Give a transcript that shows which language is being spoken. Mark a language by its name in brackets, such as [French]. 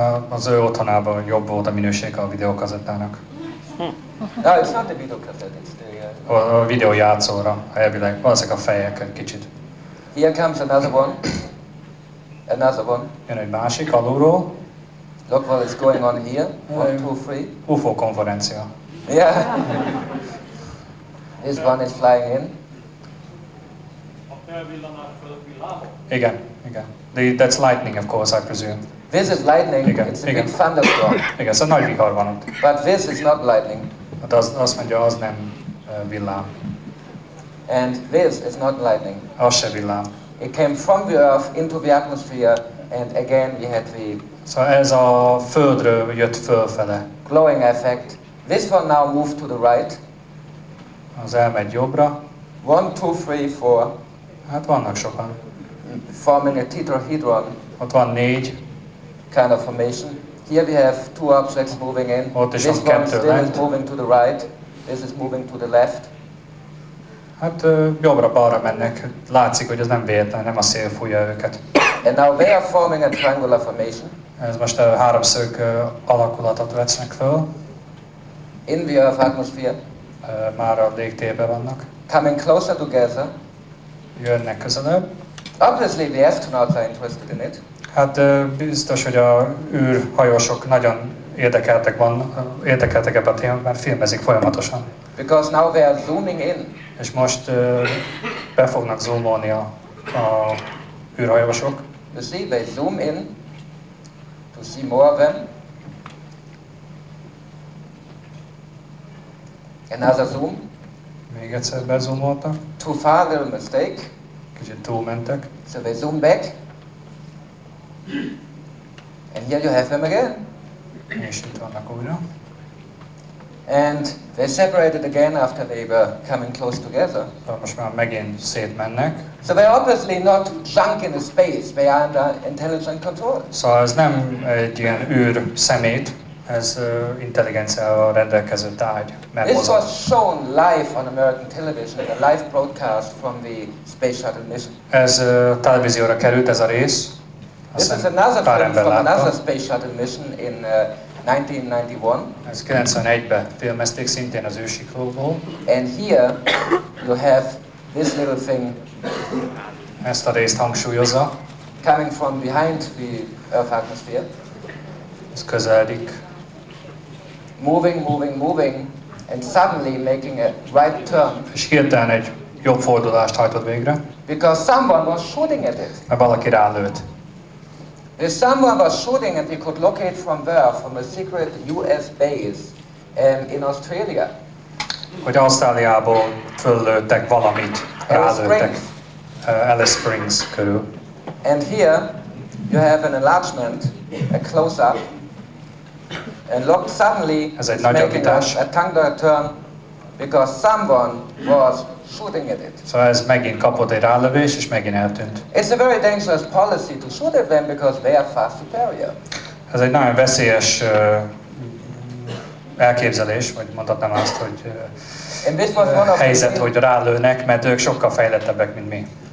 [Hungarian] Az ő otthonában jobb volt a minőség a videókazettának. [English] No, it's not the videókazette, it's the... [Hungarian] A videójátszóra, elvileg, valószínűleg a fejek egy kicsit. [English] Here comes another one. Another one. [Hungarian] Jön egy másik, alulról. [English] Look what is going on here, 1, 2, 3. [Hungarian] UFO-konferencia. [English] Yeah. This one is flying in. [Hungarian] Igen, igen. [English] That's lightning, of course, I presume. This is lightning. [Hungarian] Igen, [English] it's a big thunderstorm. [Hungarian] Igen, szóval nagy vihar van ott. [English] But this is not lightning. [Hungarian] Hát azt mondja, az nem villám. [English] And this is not lightning. [Hungarian] Az se villám. [English] It came from the Earth into the atmosphere, and again we had the... [Hungarian] Szóval ez a Földről jött fölfele. [English] Glowing effect. This one now moved to the right. [Hungarian] Az elmegy jobbra. [English] 1, 2, 3, 4. [Hungarian] Hát vannak sokan. [English] Forming a tetrahedron. [Hungarian] Ott van négy. [English] Kind of formation. Here we have two objects moving in. [Hungarian] Ott is [English] this [Hungarian] ott kettő [English] one still lent. Is moving to the right. This is moving to the left. [Hungarian] Hát jobbra-balra mennek. Látszik, hogy ez nem véletlen, nem a szél fújja őket. [English] And now they are forming a triangular formation. [Hungarian] Ez most a háromszög alakulatot vesznek föl. [English] In the Earth atmosphere. [Hungarian] Már a légtérbe vannak. [English] Coming closer together. [Hungarian] Jönnek közelebb. [English] Obviously the astronauts are interested in it. [Hungarian] Hát biztos, hogy a űrhajósok nagyon érdekeltek ebben a témában, mert filmezik folyamatosan. [English] Because now they are zooming in. [Hungarian] És most be fognak zoomolni a űrhajósok. [English] You see, they zoom in to see more of them. Another zoom. [Hungarian] Még egyszer bezoomoltak. [English] Too far, little mistake. [Hungarian] kicsit túlmentek. [English] So we zoom back. And here you have him again. [Hungarian] És itt vannak újra. [English] And they separated again after they were coming close together. [Hungarian] Most már megint szétmennek. [English] So they're obviously not junk in a space, they are under intelligent control. [Hungarian] Szóval ez nem egy ilyen űr szemét, ez intelligenciával rendelkező tárgy. [English] This was shown live on American television, a live broadcast from the space shuttle mission. [Hungarian] Ez televízióra került ez a rész. [English] This is another film from another space shuttle mission in 1991. [Hungarian] Ez 91-ben filmezték, szintén az űrsiklóból. [English] And here you have this little thing. [Hungarian] Ezt a részt hangsúlyozza. [English] Coming from behind the Earth atmosphere. [Hungarian] Ez közeledik. [English] Moving, moving, moving, and suddenly making a right turn. [Hungarian] És hirtelen egy jobb fordulást hajtott végre. [English] Because someone was shooting at it. [Hungarian] Mert valaki rálőtt. [English] If someone was shooting and he could locate from where, from a secret US base in Australia. [Hungarian] Hogy Ausztráliából föllőttek valamit, rálőttek. Alice Springs körül. [English] And here you have an enlargement, a close-up. And look, suddenly [Hungarian] ez egy nagy [English] making a tango turn because someone was shooting at it. [Hungarian] Szóval ez megint kapott egy rálövés, és megint eltűnt. [English] It's a very dangerous policy to shoot at them because they are far superior. [Hungarian] Ez egy nagyon veszélyes elképzelés, vagy mondhatnám azt, hogy helyzet, hogy rálőnek, mert ők sokkal fejlettebbek, mint mi.